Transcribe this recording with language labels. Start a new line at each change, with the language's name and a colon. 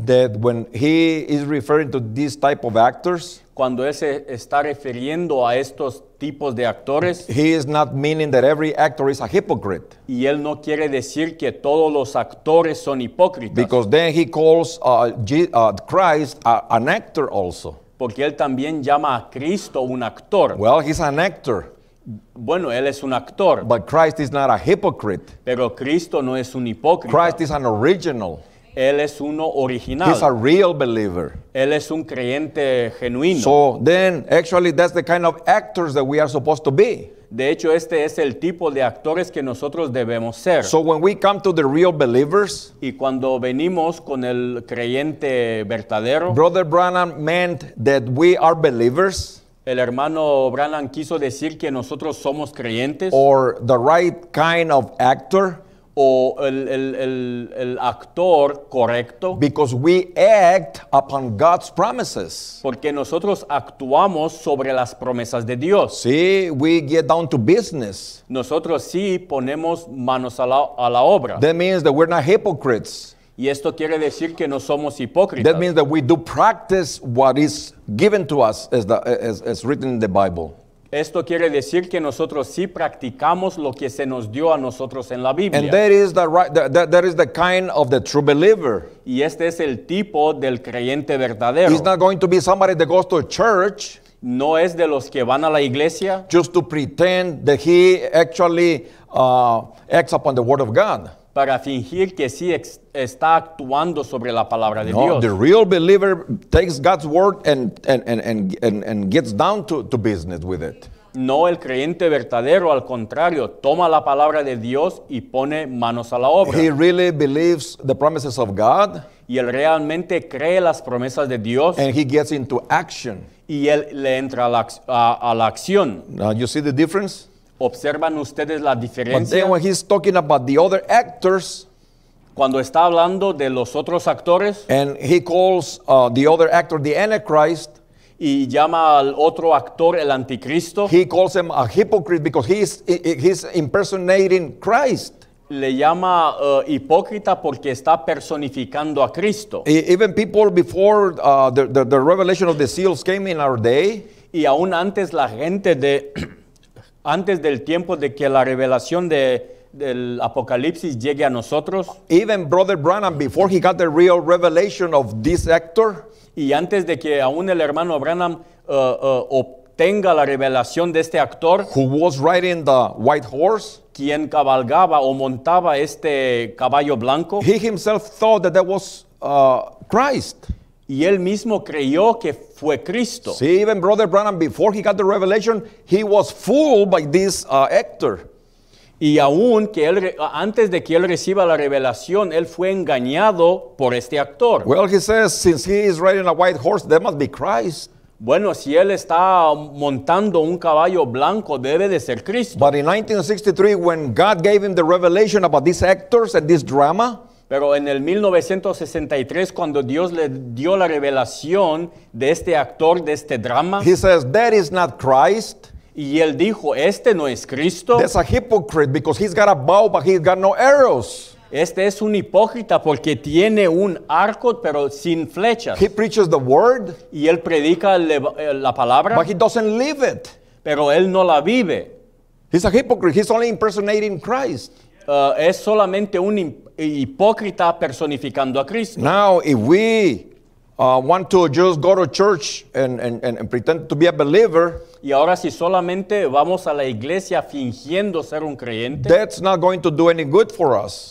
English: that when he is referring to these type of actors,
Spanish: cuando él se está refiriendo a estos tipos de actores,
English: he is not meaning that every actor is a hypocrite.
Spanish: Y él no quiere decir que todos los actores son hipócritas.
English: Because then he calls Christ an actor also.
Spanish: Porque él también llama a Cristo un actor.
English: Well, he's an actor.
Spanish: Bueno, él es un actor.
English: But Christ is not a hypocrite.
Spanish: Pero Cristo no es un hipócrita.
English: Christ is an original.
Spanish: Él es uno original.
English: He's a real believer.
Spanish: Él es un creyente genuino.
English: So then, actually, that's the kind of actors that we are supposed to be.
Spanish: De hecho, este es el tipo de actores que nosotros debemos ser.
English: So when we come to the real believers,
Spanish: y cuando venimos con el creyente verdadero,
English: Brother Branham meant that we are believers.
Spanish: El hermano Branham quiso decir que nosotros somos creyentes.
English: Or the right kind of actor.
Spanish: O el actor correcto.
English: Because we act upon God's promises.
Spanish: Porque nosotros actuamos sobre las promesas de Dios.
English: Sí, we get down to business.
Spanish: Nosotros sí ponemos manos a la obra.
English: That means that we're not hypocrites.
Spanish: Y esto quiere decir que no somos hipócritas.
English: That means that we do practice what is given to us as written in the Bible.
Spanish: Esto quiere decir que nosotros sí practicamos lo que se nos dio a nosotros en la Biblia.
English: And that is the right, that is the kind of the true believer.
Spanish: Y este es el tipo del creyente verdadero.
English: He's not going to be somebody that goes to a church.
Spanish: No es de los que van a la iglesia.
English: Just to pretend that he actually acts upon the word of God.
Spanish: Para fingir que sí está actuando sobre la palabra de no, Dios.
English: No, the real believer takes God's word and gets down to business with it.
Spanish: No, el creyente verdadero, al contrario, toma la palabra de Dios y pone manos a la obra.
English: He really believes the promises of God.
Spanish: Y él realmente cree las promesas de Dios.
English: And he gets into action.
Spanish: Y él le entra a la acción.
English: Now you see the difference?
Spanish: ¿Observan ustedes la diferencia?
English: But then when he's talking about the other actors,
Spanish: cuando está hablando de los otros actores,
English: and he calls the other actor the Antichrist,
Spanish: y llama al otro actor el anticristo,
English: he calls him a hypocrite because he's impersonating Christ.
Spanish: Le llama hipócrita porque está personificando a Cristo.
English: Even people before the revelation of the seals came in our day,
Spanish: y aún antes la gente de antes del tiempo de que la revelación del Apocalipsis llegue a nosotros,
English: even Brother Branham, before he got the real revelation of this actor,
Spanish: y antes de que aún el hermano Branham obtenga la revelación de este actor,
English: who was riding the white horse,
Spanish: quien cabalgaba o montaba este caballo blanco,
English: he himself thought that was Christ.
Spanish: Y él mismo creyó que fue Cristo.
English: See, even Brother Branham, before he got the revelation, he was fooled by this actor.
Spanish: Y aún que él, antes de que él reciba la revelación, él fue engañado por este actor.
English: Well, he says, since he is riding a white horse, that must be Christ.
Spanish: Bueno, si él está montando un caballo blanco, debe de ser Cristo.
English: But in 1963, when God gave him the revelation about these actors and this drama,
Spanish: pero en el 1963, cuando Dios le dio la revelación de este actor, de este drama,
English: he says, that is not Christ.
Spanish: Y él dijo, este no es Cristo.
English: That's a hypocrite because he's got a bow, but he's got no arrows.
Spanish: Este es un hipócrita porque tiene un arco, pero sin flechas.
English: He preaches the word.
Spanish: Y él predica la palabra.
English: But he doesn't live it.
Spanish: Pero él no la vive.
English: He's a hypocrite. He's only impersonating Christ.
Spanish: Es solamente un hipócrita personificando a Cristo.
English: Now, if we want to just go to church and pretend to be a believer,
Spanish: y ahora si solamente vamos a la iglesia fingiendo ser un creyente,
English: that's not going to do any good for us.